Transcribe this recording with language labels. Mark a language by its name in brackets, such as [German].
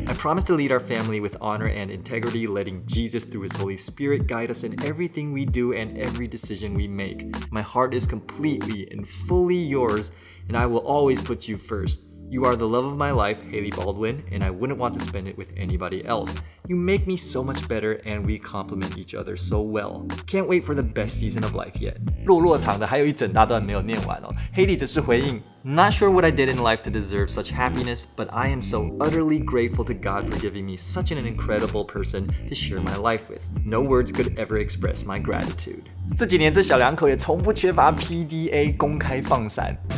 [English] I promise to lead our family with honor and integrity, letting Jesus through his Holy Spirit guide us in everythingWe do and every decision we make. My heart is completely and fully yours, and I will always put you first. You are the love of my life, Hailey Baldwin, and I wouldn't want to spend it with anybody else. You make me so much better, and we complement each other so well. Can't wait for the best season of life yet. [Chinese] 落落场的还有一整大段没有念完哦。 [English] Hailey [Chinese] 则是回应 [English] Not sure what I did in life to deserve such happiness, but I am so utterly grateful to God for giving me such an incredible person to share my life with. No words could ever express my gratitude. [Chinese] 这几年这小两口也从不缺乏 PDA 公开放闪。